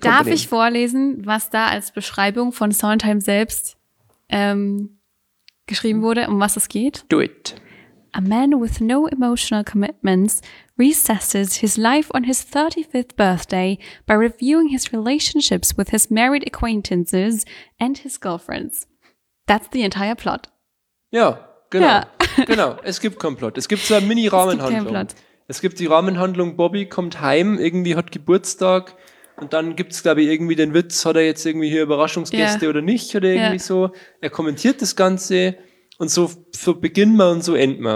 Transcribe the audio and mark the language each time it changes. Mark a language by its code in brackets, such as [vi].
[de] Darf ich vorlesen, was da als Beschreibung von Sondheim selbst geschrieben wurde, um was es geht? [en] Do it. A man with no emotional commitments recesses his life on his 35th birthday by reviewing his relationships with his married acquaintances and his girlfriends. That's the entire plot. [de] Ja, genau. Ja. Genau. Es gibt keinen Plot. Es gibt so eine Mini-Rahmenhandlung. Es gibt die Rahmenhandlung, Bobby kommt heim, irgendwie hat Geburtstag und dann gibt es, glaube ich, irgendwie den Witz, hat er jetzt irgendwie hier Überraschungsgäste oder nicht oder irgendwie so. Er kommentiert das Ganze. Und so beginnen wir und so enden wir.